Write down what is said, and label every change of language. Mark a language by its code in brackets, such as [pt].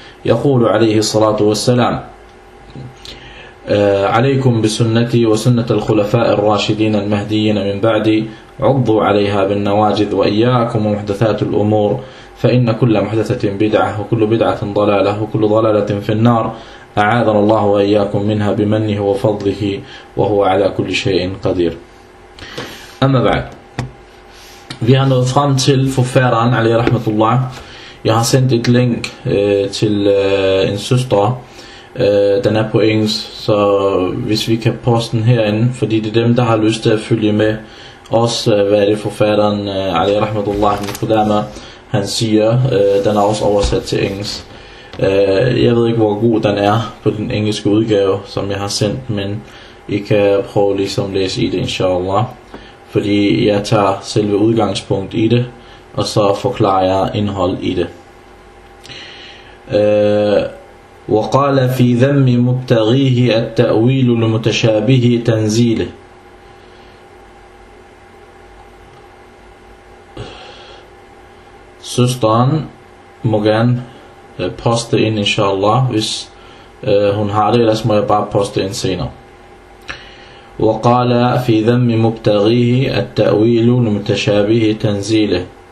[ar] يقول عليه الصلاة والسلام: عليكم بسنتي وسنة الخلفاء الراشدين المهديين من بعدي، عضوا عليها بالنواجذ، وإياكم ومحدثات الأمور، فإن كل محدثة بدعة وكل بدعة ضلالة وكل ضلالة في النار، أعاذنا الله وإياكم منها بمنه وفضله وهو على كل شيء قدير. أما بعد، [da] vi har nået frem til forfæren [ar] عليه رحمة الله. [da] Jeg har sendt et link til en søster. Den er på engelsk, så hvis vi kan poste den herinde, fordi det er dem, der har lyst til at følge med os, hvad er det forfatteren Ali Rahmatullah ibn Qudama, han siger, den er også oversat til engelsk. Jeg ved ikke, hvor god den er på den engelske udgave, som jeg har sendt, men I kan prøve ligesom at læse i det, inshallah. Fordi jeg tager selve udgangspunkt i det, og så forklarer jeg indhold i det. [ar] وقال في ذم مبتغيه التأويل المتشابه تنزيله. [da] Søsteren må gerne poste ind, inshallah, hvis hun har det, ellers må jeg bare poste ind senere. [ar] وقال في ذم مبتغيه التأويل المتشابه تنزيله.